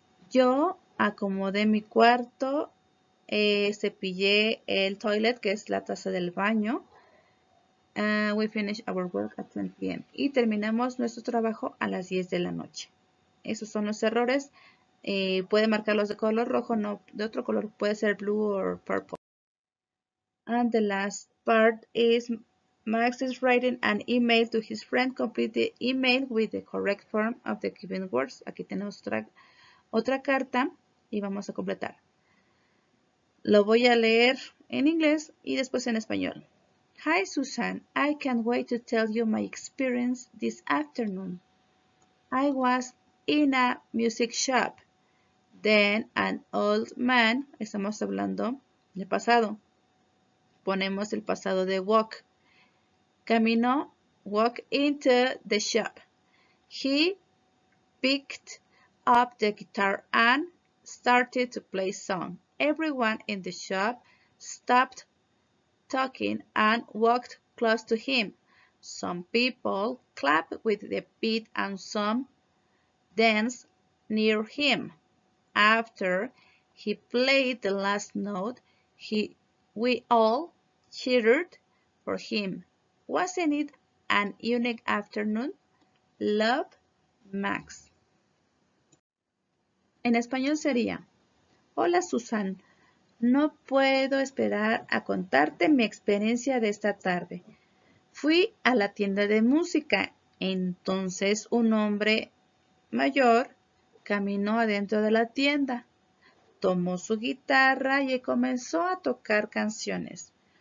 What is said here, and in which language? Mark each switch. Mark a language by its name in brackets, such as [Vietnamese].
[Spanish] Yo acomodé mi cuarto. Cepillé el toilet, que es la taza del baño. [English] We finish our work at 10 p.m. [Spanish] Y terminamos nuestro trabajo a las 10 de la noche. Esos son los errores. Puede marcarlos de color rojo, no de otro color. Puede ser blue o purple. [English] And the last part is Max is writing an email to his friend. Complete the email with the correct form of the given words. [Spanish] Aquí tenemos otra carta y vamos a completar. Lo voy a leer en inglés y después en español. [English] Hi Susan, I can't wait to tell you my experience this afternoon. I was in a music shop. Then an old man, [Spanish] estamos hablando del pasado. Ponemos el pasado de walk. [English] Caminó, walk into the shop. He picked up the guitar and started to play song. Everyone in the shop stopped talking and walked close to him. Some people clapped with the beat and some danced near him. After he played the last note, we all cheered for him. Wasn't it an unique afternoon? Love, Max. [Spanish] En español sería: Hola Susan, no puedo esperar a contarte mi experiencia de esta tarde. Fui a la tienda de música. Entonces un hombre mayor caminó adentro de la tienda, tomó su guitarra y comenzó a tocar canciones.